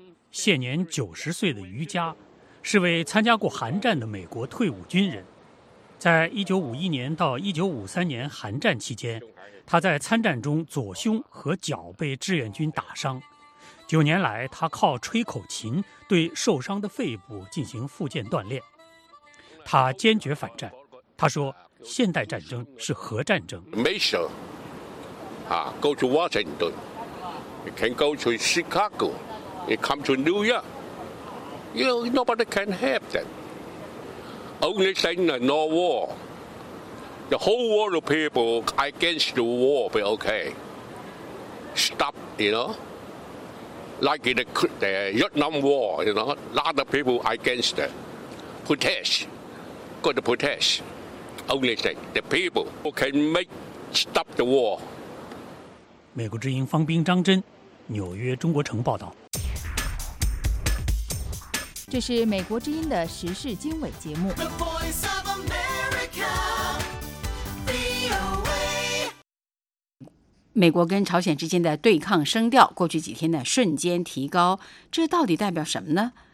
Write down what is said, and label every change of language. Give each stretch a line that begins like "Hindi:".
Chinese: 现年90岁的余嘉是位参加过韩战的美国退伍军人，在1951年到1953年韩战期间，他在参战中左胸和脚被志愿军打伤，9年来他靠吹口琴对受伤的肺部进行复健锻炼。他坚决反战，他说现代战争是核战争。没事啊，
English: go to Washington。 You can go to Chicago, you come to New York. You know, nobody can help them. Only saying no war. The whole world of people against the war, be okay. Stop, you know. Like in the Vietnam War, you know, a lot of people against it. Protest, go to protest. Only thing, the people who can make stop the war.
Chinese: 美国之音方斌、张真，纽约中国城报道。这是美国之音的时事经纬节目。
English: The Voice of America, VOA。
Chinese: 美国跟朝鲜之间的对抗声调过去几天的瞬间提高，这到底代表什么呢？